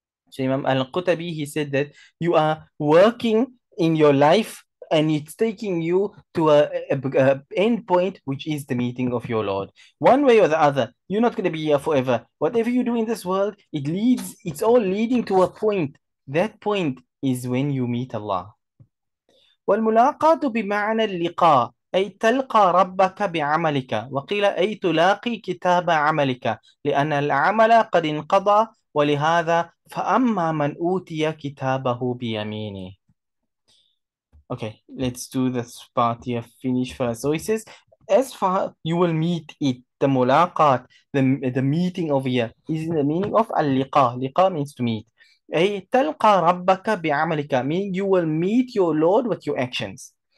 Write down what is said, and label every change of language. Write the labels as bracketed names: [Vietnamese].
[English] So Imam Al-Qutabi, he said that you are working in your life and it's taking you to a end point, which is the meeting of your Lord. One way or the other, you're not going to be here forever. Whatever you do in this world, it leads, it's all leading to a point. That point is when you meet Allah. [Arabic] Wal-mulaqatu bima'na liqa'a. أي تلقى ربك بعملك وقيل أي تلاقي كتاب عملك لأن العمل قد انقضى ولهذا فأما من أوتي كتابه بيمينه. [English] Okay, let's do this part here, finish first. So he says, as far you will meet it, the mulaqat, the meeting over here is in the meaning of اللقاء. لقاء means to meet. [Arabic] أي تلقى ربك بعملك, [English] meaning you will meet your Lord with your actions.